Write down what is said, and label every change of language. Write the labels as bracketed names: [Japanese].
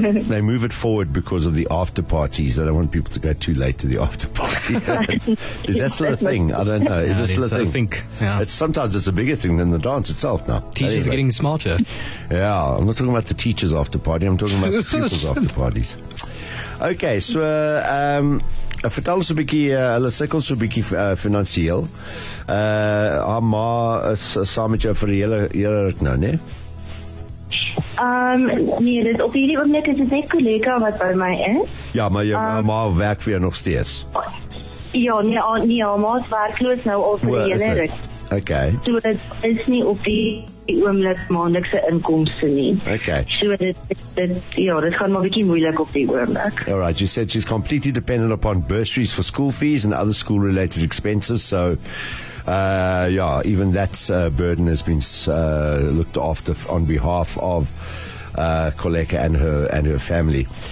[English] They move it forward because of the after parties. I don't want people to go too late to the after party. Is that still a thing? I don't know. Is yeah, it still a thing? I think. Yeah. Sometimes it's a bigger thing than the dance itself now. Teachers are getting smarter. Yeah, I'm not talking about the teachers after party. I'm talking about the pupils after parties. [Afrikaans] Okay, so vertel ons 'n bietjie, hulle sukkel so 'n bietjie finansieel. Haar ma is saam met jou vir die hele ruk nou, né? Nee, dit op hierdie oomblik is dit net kollega wat by my is. Ja, maar jou ma werk weer nog steeds. Ja, nee, ma is werkloos nou al vir die hele ruk. Okay. So dit is nie op die oomblik maandelikse inkomste nie. Okay. So dit gaan maar bietjie moeilik op die oomblik. [English] All right, you said she's completely dependent upon bursaries for school fees and other school related expenses, so yeah, even that burden has been looked after on behalf of Koleka and her family.